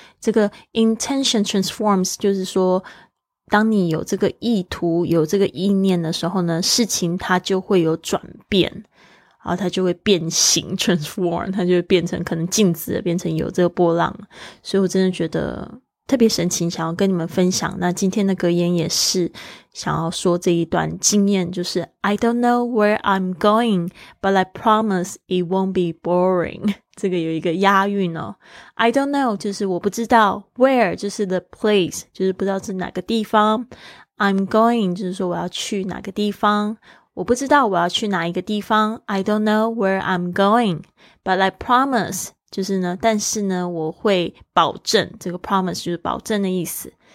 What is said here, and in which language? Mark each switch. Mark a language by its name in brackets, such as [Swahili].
[Chinese] 这个 intention transforms 就是说当你有这个意图有这个意念的时候呢，事情它就会有转变，然后它就会变形 transform， 它就会变成可能镜子变成有这个波浪。所以我真的觉得特别神奇，想要跟你们分享。那今天的格言也是想要说这一段经验，就是 [English] I don't know where I'm going, but I promise it won't be boring。 [Chinese] 这个有一个押韵哦， [English] I don't know 就是我不知道， where 就是 the place 就是不知道是哪个地方， I'm going 就是说我要去哪个地方，我不知道我要去哪一个地方， I don't know where I'm going, but I promise [Chinese] 就是呢，但是呢我会保证，这个 promise 就是保证的意思。